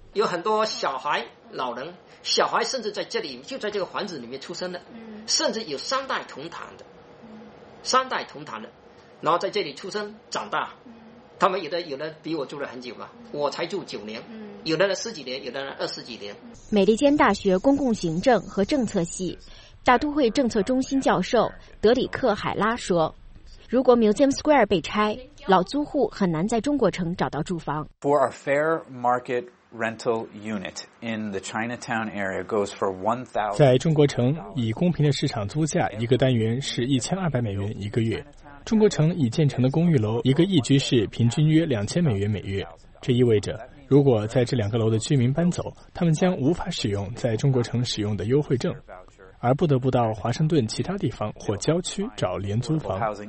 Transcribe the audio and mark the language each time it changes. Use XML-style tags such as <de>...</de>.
<zh>有很多小孩、老人，小孩甚至在这里，就在这个房子里面出生的，甚至有三代同堂的，三代同堂的，然后在这里出生长大，他们有的比我住了很久嘛，我才住九年，有的十几年，有的二十几年。美利坚大学公共行政和政策系大都会政策中心教授德里克·海拉说，如果 Museum Square 被拆，老租户很难在中国城找到住房。</zh> <en>For a fair market rental unit in the Chinatown area goes for 1,000.</en> <zh>在中国城，以公平的市场租价，一个单元是$1,200一个月。中国城已建成的公寓楼，一个一居室平均约$2,000每月。这意味着，如果在这两个楼的居民搬走，他们将无法使用在中国城使用的优惠证，而不得不到华盛顿其他地方或郊区找廉租房。</zh>